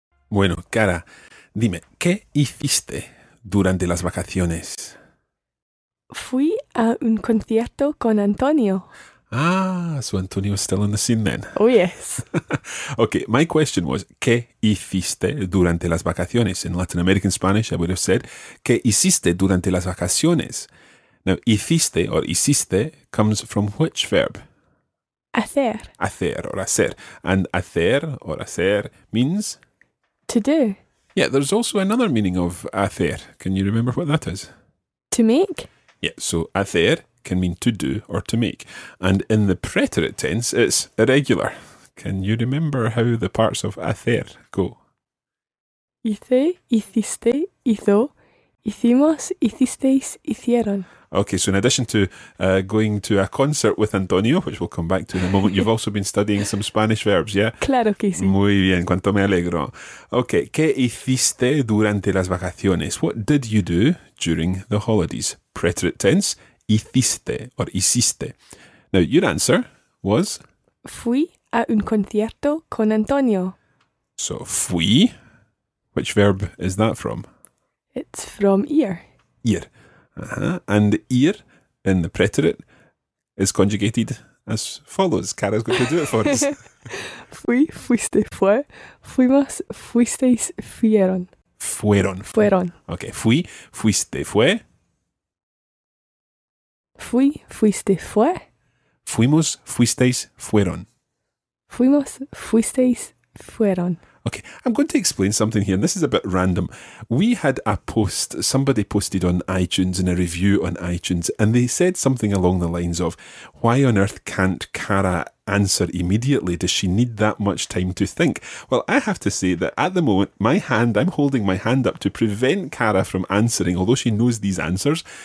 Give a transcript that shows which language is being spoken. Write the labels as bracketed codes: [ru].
[es] Bueno, Cara, dime, ¿qué hiciste durante las vacaciones? Fui a un concierto con Antonio. [en] Ah, so Antonio's still in the scene then. Oh, yes. Okay, my question was, [es] ¿qué hiciste durante las vacaciones? [en] In Latin American Spanish, I would have said, [es] ¿qué hiciste durante las vacaciones? [en] Now, hiciste or hiciste comes from which verb? [es] Hacer. Hacer or hacer. [en] And hacer or hacer means... to do. Yeah, there's also another meaning of hacer. Can you remember what that is? To make. Yeah, so hacer can mean to do or to make. And in the preterite tense, it's irregular. Can you remember how the parts of hacer go? [es] Hice, hiciste, hizo, hicimos, hicisteis, hicieron. [en] Okay, so in addition to going to a concert with Antonio, which we'll come back to in a moment, you've also been studying some Spanish verbs, yeah? [es] Claro que sí. Muy bien, cuánto me alegro. Okay, ¿qué hiciste durante las vacaciones? [en] What did you do during the holidays? Preterite tense, hiciste or hiciste. Now, your answer was? [es] Fui a un concierto con Antonio. [en] So, fui, which verb is that from? It's from ir. [es] Ir. [en] And ir in the preterite is conjugated as follows. Cara's going to do it for us. [es] Fui, fuiste, fue, fuimos, fuisteis, fueron. Fueron. Fueron. Okay, fui, fuiste, fue. Fui, fuiste, fue. Fuimos, fuisteis, fueron. Fuimos, fuisteis, fueron. [en] Okay, I'm going to explain something here, and this is a bit random. We had a post, somebody posted on iTunes in a review on iTunes, and they said something along the lines of, why on earth can't Cara answer immediately? Does she need that much time to think? Well, I have to say that at the moment, I'm holding my hand up to prevent Cara from answering, although she knows these answers.